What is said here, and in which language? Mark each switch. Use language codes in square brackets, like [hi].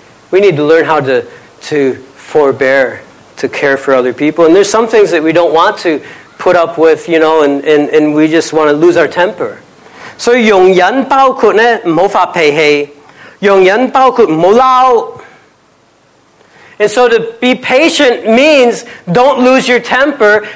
[en] We need to learn how to forbear, to care for other people. And there's some things that we don't want to put up with, you know, and we just want to lose our temper. [zh] 所以容忍包括呢不要发脾气，容忍包括不要闹。 [en] And so to be patient means don't lose your temper.